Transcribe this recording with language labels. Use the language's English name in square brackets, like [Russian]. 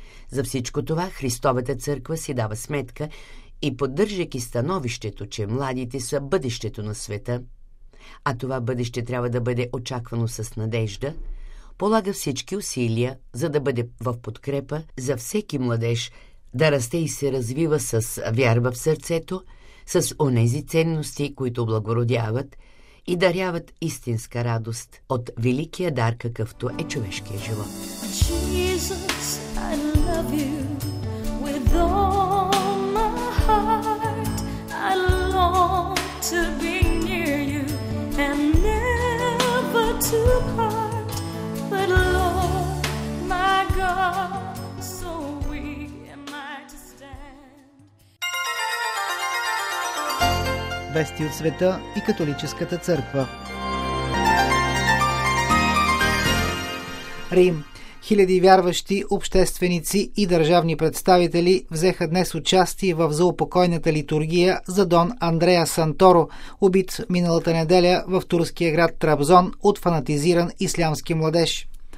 [Bulgarian] За всичко това Христовата църква си дава сметка и, поддържайки становището, че младите са бъдещето на света, а това бъдеще трябва да бъде очаквано с надежда, полага всички усилия, за да бъде в подкрепа за всеки младеж да расте и се развива с вяра в сърцето, с онези ценности, които благородяват и даряват истинска радост от великия дар, какъвто е човешкия живот. [English] Jesus, I love you with all my heart. I long to be near you and never to part. But Lord, my God, so weak am I to stand. [Bulgarian] Вести от света и католическата църква. Рим. Хиляди вярващи, общественици и държавни представители взеха днес участие в заупокойната литургия за Дон Андреа Санторо, убит миналата неделя в турския град Трабзон от фанатизиран ислямски младеж.